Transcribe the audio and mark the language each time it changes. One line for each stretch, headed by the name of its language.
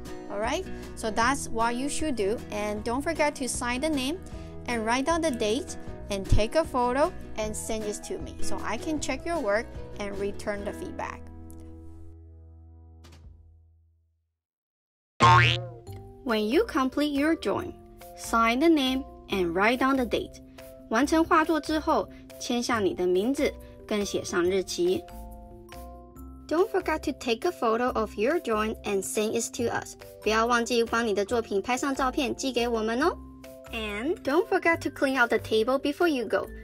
English: All right, so that's what you should do. And don't forget to sign the name and write down the date and take a photo and send it to me so I can check your work and return the feedback. When you complete your drawing, sign the name and write down the date.
Chinese: 完成画作之后，签下你的名字，更写上日期。
English: Don't forget to take a photo of your drawing and send it to us.
Chinese: 不要忘记帮你的作品拍上照片寄给我们哦。
English: And don't forget to clean out the table before you go.